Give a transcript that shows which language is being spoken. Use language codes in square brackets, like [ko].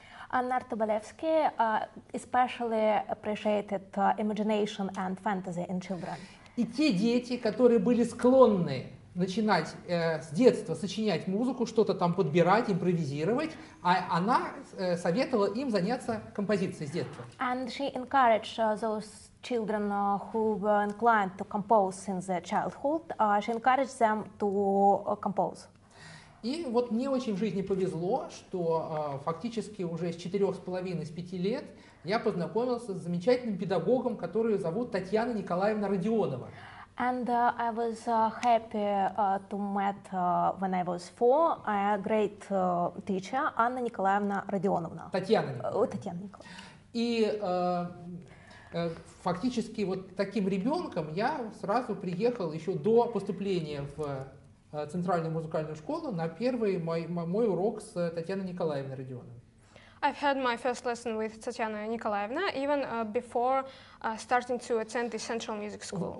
[en] Анна Артобалевская especially appreciated imagination and fantasy in children. [ru] И те дети, которые были склонны начинать с детства сочинять музыку, что-то там подбирать, импровизировать, а она советовала им заняться композицией с детства. [en] And she encouraged those children who were inclined to compose since their childhood, she encouraged them to compose. [ru] И мне очень в жизни повезло, что фактически уже с 4,5-5 лет я познакомился с замечательным педагогом, которую зовут Татьяна Николаевна Родионова. [en] And I was happy to meet when I was 4 a great teacher Anna Nikolaevna Rodionovna. [ru] Татьяна. Татьяна Николаевна. И Фактически вот таким ребенком я сразу приехал еще до поступления в Центральную музыкальную школу на первый мой урок с Татьяной Николаевной Родионовой. [en] I've had my first lesson with Татьяна Николаевна even before starting to attend the Central Music School.